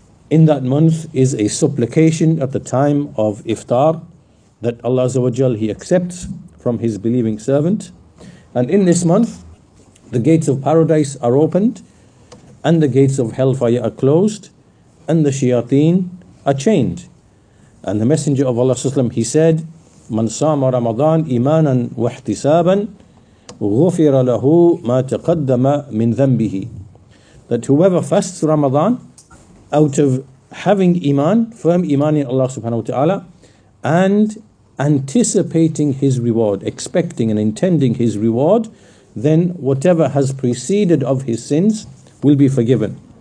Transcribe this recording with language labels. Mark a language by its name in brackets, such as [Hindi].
[English] In that month is a supplication at the time of iftar, that Allah Azza wa Jal, He accepts from His believing servant. And in this month, the gates of paradise are opened, and the gates of hellfire are closed, and the shayateen are chained. And the Messenger of Allah Sallallahu Alaihi Wasallam, He said, [Arabic] مَنْ صَامَ رَمَضَانَ إِمَانًا وَاحْتِسَابًا غُفِرَ لَهُ مَا تَقَدَّمَ مِنْ ذَنْبِهِ. [English] That whoever fasts Ramadan out of having iman, firm iman in Allah subhanahu wa ta'ala, and anticipating his reward, expecting and intending his reward, then whatever has preceded of his sins will be forgiven.